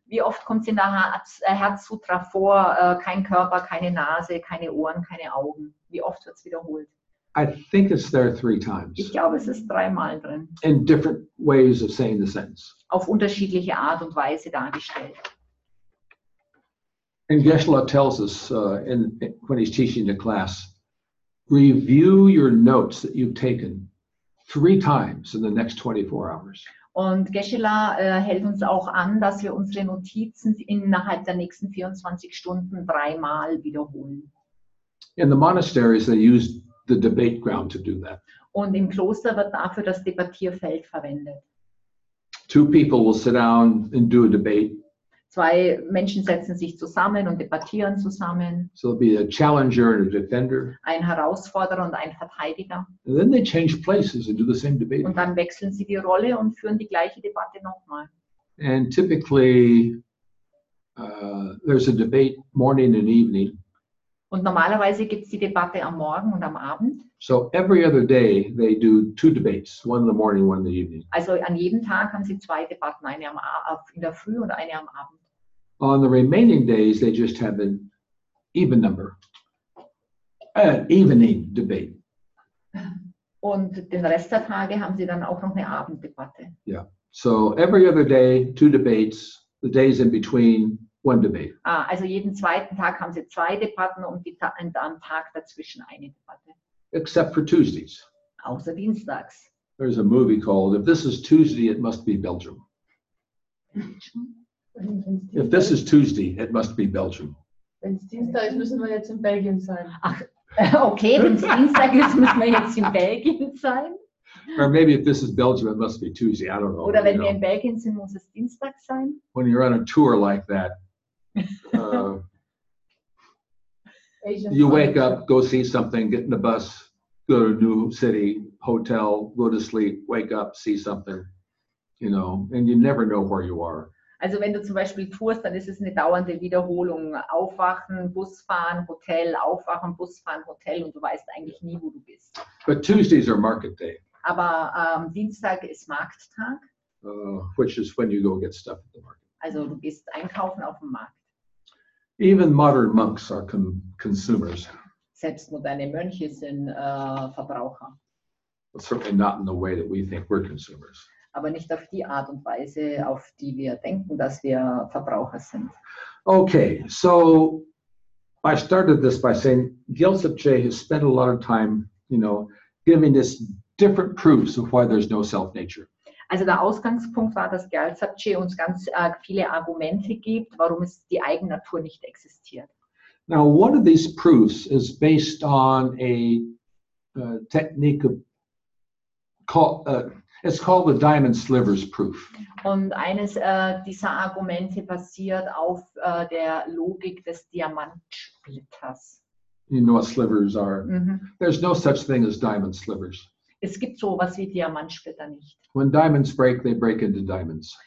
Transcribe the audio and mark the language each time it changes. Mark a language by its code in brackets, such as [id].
[de] Wie oft kommt es in der Herz Sutra vor, kein Körper, keine Nase, keine Ohren, keine Augen? Wie oft wird es wiederholt? [en] I think it's there 3 times. [de] Ich glaube, es ist 3 Mal drin. [en] In different ways of saying the sentence. [de] Auf unterschiedliche Art und Weise dargestellt. [en] And Geshe-la tells us when he's teaching the class, review your notes that you've taken 3 times in the next 24 hours. [de] Und Geshe-la hält uns auch an, dass wir unsere Notizen innerhalb der nächsten 24 Stunden 3 Mal wiederholen. [en] In the monasteries, they use the debate ground to do that. [de] Und im Kloster wird dafür das Debattierfeld verwendet. [en] 2 people will sit down and do a debate. [de] 2 Menschen setzen sich zusammen und debattieren zusammen. [en] So it'll be a challenger and a defender. [de] Ein Herausforderer und ein Verteidiger. [en] And then they change places and do the same debate. [de] Und dann wechseln sie die Rolle und führen die gleiche Debatte nochmal. [en] And typically there's a debate morning and evening. [de] Und normalerweise gibt's die Debatte am Morgen und am Abend. [en] So every other day they do 2 debates, one in the morning, one in the evening. [de] Also an jedem Tag haben sie 2 Debatten, eine in der Früh und eine am Abend. [en] On the remaining days they just have an even number, an evening debate. [de] Und den Rest der Tage haben sie dann auch noch eine Abenddebatte. [en] Yeah. So every other day 2 debates, the days in between 1 debate. [de] Ah, also jeden zweiten Tag haben sie 2 Debatten und am Tag dazwischen 1 Debatte. [en] Except for Tuesdays. [de] Außer Dienstags. [en] There's a movie called If This Is Tuesday, It Must Be Belgium. If This Is Tuesday, It Must Be Belgium. [de] Wenn es Dienstag ist, müssen wir jetzt in Belgien sein. Ach, okay, wenn es Dienstag ist, müssen wir jetzt in Belgien sein. [en] Or maybe if this is Belgium, it must be Tuesday. I don't know. [de] Oder wenn wir in Belgien sind, muss es Dienstag sein. [en] When you're on a tour like that, you wake up, go see something, get in the bus, go to a new city, hotel, go to sleep, wake up, see something, you know, and you never know where you are. [de] Also wenn du zum Beispiel tourst, dann ist es eine dauernde Wiederholung. Aufwachen, Bus fahren, Hotel, aufwachen, Bus fahren, Hotel, und du weißt eigentlich nie, wo du bist. [en] But Tuesdays are market day. [de] Aber Dienstag ist Markttag. [en] Which is when you go get stuff at the market. [de] Also du gehst einkaufen auf dem Markt. [en] Even modern monks are consumers. [de] Selbst moderne Mönche sind Verbraucher. [en] Well, certainly not in the way that we think we're consumers. [de] Aber nicht auf die Art und Weise, auf die wir denken, dass wir Verbraucher sind. [en] Okay, so I started this by saying Gyaltsepche has spent a lot of time, you know, giving this different proofs of why there's no self-nature. [de] Also der Ausgangspunkt war, dass Gyaltsepche uns ganz viele Argumente gibt, warum es die Eigennatur nicht existiert. [en] Now, one of these proofs is based on a technique it's called the diamond slivers proof. [de] Und eines dieser Argumente basiert auf der Logik des Diamantsplitters. [en] You know what slivers are. Mm-hmm. There's no such thing as diamond slivers. [de] Es gibt sowas wie Diamantsplitter nicht. [en] When diamonds break, they break into diamonds.